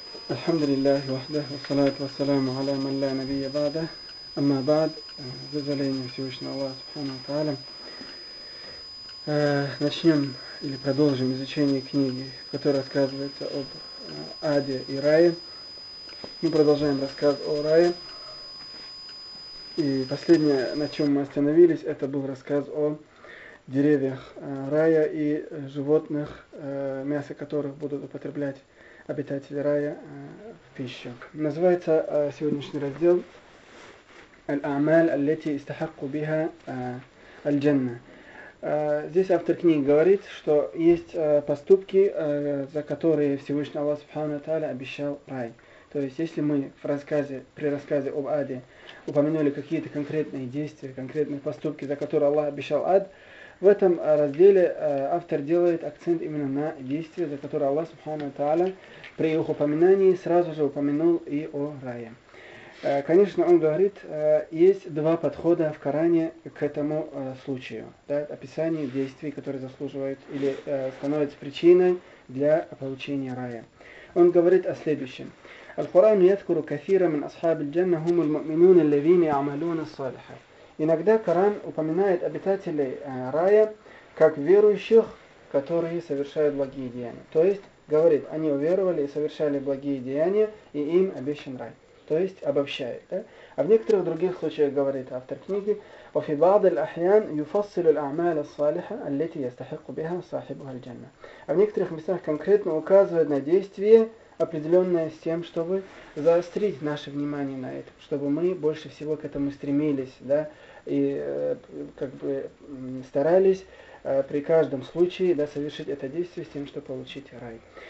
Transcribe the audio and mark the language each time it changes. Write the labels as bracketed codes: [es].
[ar] الحمد لله وحده والصلاة والسلام على من لا نبي بعده أما بعد زلين يسيوشنا الله سبحانه وتعالى [ru] начнем или продолжим изучение книги, в которой рассказывается об Аде и Рае. Мы продолжаем рассказ о Рае. И последнее, на чем мы остановились, это был рассказ о деревьях Рая и животных, мясо которых будут употреблять обитатели Рая в пищу. Называется сегодняшний раздел [ar] «Аль-Амаль аль-Лети истахакку биха аль-Джанна». [ru] Здесь автор книги говорит, что есть поступки, за которые Всевышний Аллах Субхану Тааля обещал рай. То есть, если мы в рассказе, при рассказе об аде упомянули какие-то конкретные действия, конкретные поступки, за которые Аллах обещал ад, в этом разделе автор делает акцент именно на действия, за которые Аллах Субхану Тааля при их упоминании сразу же упомянул и о рае. Конечно, он говорит, есть два подхода в Коране к этому случаю, да, описание действий, которые заслуживают или становятся причиной для получения рая. Он говорит о следующем. [ar] القرآن يذكر كثيرا من أصحاب الجنة هم المؤمنون الذين يعملون الصالحات. [ru] Иногда Коран упоминает обитателей рая как верующих, которые совершают благие деяния. То есть говорит, они уверовали и совершали благие деяния, и им обещан рай. То есть обобщает. Да? А в некоторых других случаях говорит автор книги: [ar] وفي بعض الأحيان يفصل الأعمال الصالحة التي يستحق بها صاحبها الجنة. [ru] А в некоторых местах конкретно указывает на действие, определенное с тем, чтобы заострить наше внимание на это, чтобы мы больше всего к этому стремились, да, и как бы старались при каждом случае, да, совершить это действие с тем, чтобы получить рай.